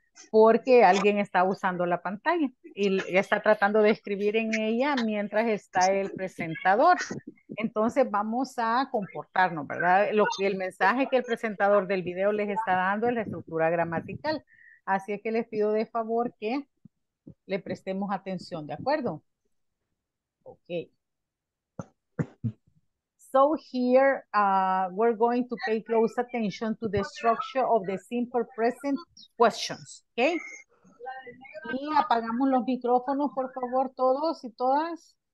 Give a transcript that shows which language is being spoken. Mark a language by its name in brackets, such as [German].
[Spanish] Porque alguien está usando la pantalla y está tratando de escribir en ella mientras está el presentador. Entonces vamos a comportarnos, ¿verdad? El mensaje que el presentador del video les está dando es la estructura gramatical. Así es que les pido de favor que le prestemos atención, ¿de acuerdo? Ok. [English] So here we're going to pay close attention to the structure of the simple present questions, okay? [Spanish] Y apagamos los micrófonos, por favor, todos y todas.